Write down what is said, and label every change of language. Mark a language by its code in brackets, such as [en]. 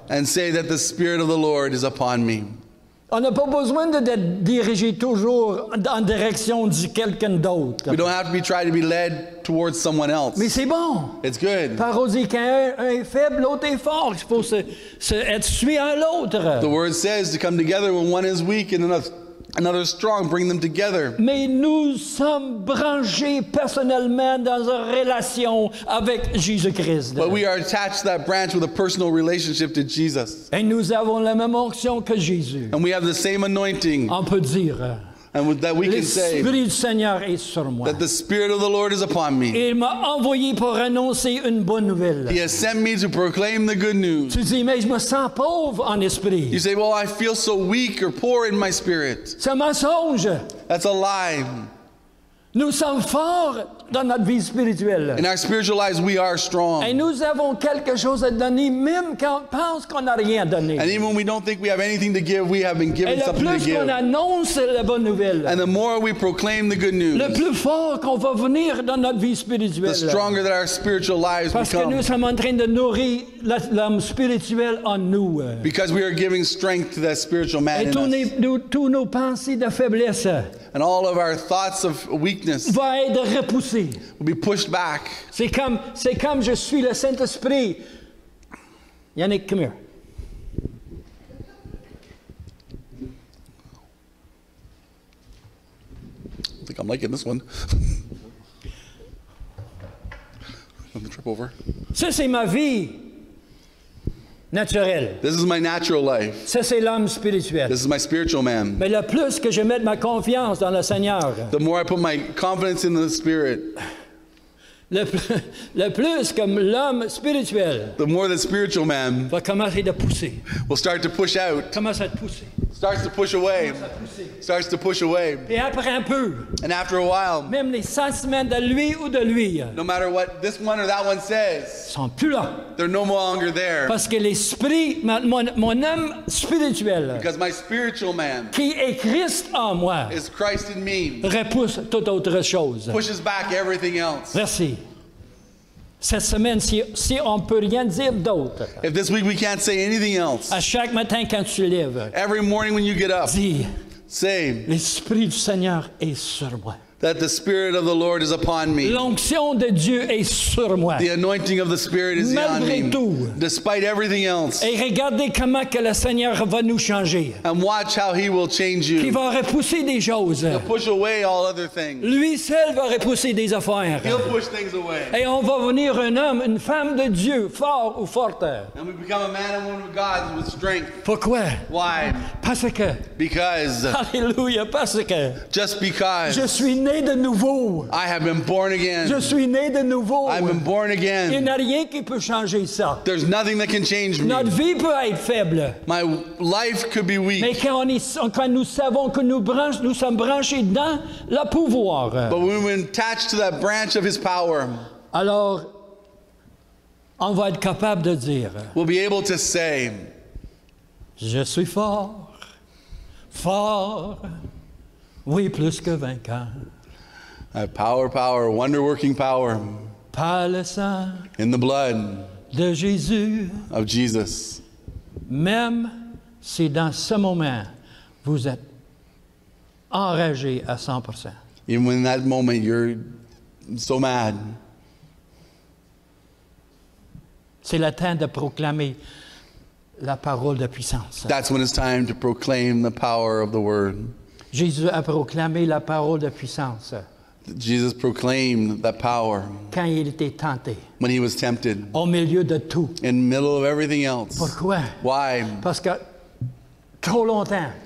[en] And say that the Spirit of the Lord is upon me. [fr] On n'a pas besoin de diriger toujours en direction de quelqu'un d'autre. [en] We don't have to be trying to be led towards someone else. [fr] Mais c'est bon. [en] It's good. [fr] Parole dit qu'un est faible, l'autre est fort. Il faut se être suivi à l'autre. [en] The word says to come together when one is weak and another strong, bring them together. [fr] Mais nous sommes branchés personnellement dans une relation avec Jésus-Christ. [en] But we are attached to that branch with a personal relationship to Jesus. [fr] Et nous avons la même onction que Jésus. [en] And we have the same anointing. [fr] On peut dire. [en] And that we can say. [fr] L'Esprit du Seigneur est sur moi. [en] That the Spirit of the Lord is upon me. [fr] Il m'a envoyé pour annoncer une bonne nouvelle. [en] He has sent me to proclaim the good news. [fr] Tu dis, mais je me sens pauvre en esprit. [en] You say, well, I feel so weak or poor in my spirit. [fr] C'est un mensonge. [en] That's a lie. [fr] Nous sommes forts dans notre vie spirituelle. [en] In our spiritual lives, we are strong. [fr] Et nous avons quelque chose à donner, même quand on pense qu'on n'a rien donné. [en] And even when we don't think we have anything to give, we have been given something to give. [fr] Et le plus qu'on annonce la bonne nouvelle. [en] And the more we proclaim the good news. [fr] Le plus fort qu'on va venir dans notre vie spirituelle. [en] The stronger that our spiritual lives [fr] Parce [en] become. [fr] Parce que nous sommes en train de nourrir l'âme spirituelle en nous. [en] Because we are giving strength to that spiritual man [fr] Et [en] in us. [fr] Et tous nos pensées de faiblesse. [en] And all of our thoughts of weakness [fr] va être repoussé. [en] Will be pushed back. [fr] C'est comme je suis le Saint-Esprit. Yannick, [en] come here. I think I'm liking this one. On the trip over. [fr] Ça, c'est ma vie naturelle. [en] This is my natural life. [fr] Ça, c'est l'homme spirituel. [en] This is my spiritual man. [fr] Mais le plus que je mets ma confiance dans le Seigneur, [en] the more I put my confidence in the Spirit, [fr] le plus que l'homme spirituel, [en] the more the spiritual man [fr] va commencer de pousser, [en] will start to push out. [fr] Commence à pousser. [en] Starts to push away. Starts to push away. [fr] Et après un peu, [en] and after a while, [fr] même les 100 semaines de lui ou de lui, [en] no matter what this one or that one says, [fr] sont plus là. [en] They're no longer there. [fr] Parce que l'esprit, mon âme spirituelle, [en] because my spiritual man, [fr] qui est Christ en moi, [en] is Christ in me, [fr] repousse toute autre chose. [en] Pushes back everything else. [fr] Merci. Cette semaine, si on peut rien dire d'autre. [en] If this week we can't say anything else. [fr] À chaque matin quand tu lèves. [en] Every morning when you get up. [fr] Dis. [en] Say. [fr] L'esprit du Seigneur est sur moi. [en] That the Spirit of the Lord is upon me. [fr] L'onction de Dieu est sur moi. [en] The anointing of the Spirit is [fr] Malgré [en] on me. [fr] Tout. [en] Despite everything else. [fr] Et regardez comment que le Seigneur va nous changer. [en] And watch how He will change you. [fr] Qui va repousser des choses. [en] He'll push away all other things. [fr] Lui seul va repousser des affaires. [en] He'll push things away. [fr] Et on va venir un homme, une femme de Dieu, fort ou forte. [en] And we become a man and woman of God with strength. [fr] Pourquoi? [en] Why? [fr] Parce que. [en] Because. [fr] Alléluia, parce que. [en] Just because. [fr] Je suis né de nouveau. [en] I have been born again. [fr] Je suis né de nouveau. [en] I've been born again. [fr] Il n'y a rien qui peut changer ça. [en] There's nothing that can change me. [fr] Notre vie peut être faible. [en] My life could be weak. [fr] Mais quand nous savons que nous sommes branchés dans le pouvoir. [en] But when we're attached to that branch of His power. [fr] Alors, on va être capable de dire. [en] We'll be able to say. [fr] Je suis fort. Fort. Oui, plus que vainqueur. [en] I have power, wonder-working power. [fr] Par le sang. [en] In the blood. [fr] De Jésus. [en] Of Jesus. [fr] Même si dans ce moment, vous êtes enragé à 100%. [en] Even when in that moment, you're so mad. [fr] C'est le temps de proclamer la parole de puissance. [en] That's when it's time to proclaim the power of the word. [fr] Jésus a proclamé la parole de puissance. [en] Jesus proclaimed that power. [fr] Quand il était tenté. [en] When he was tempted. [fr] Au milieu de tout. [en] In the middle of everything else. [fr] Pourquoi? [en] Why? [fr] Parce que trop longtemps.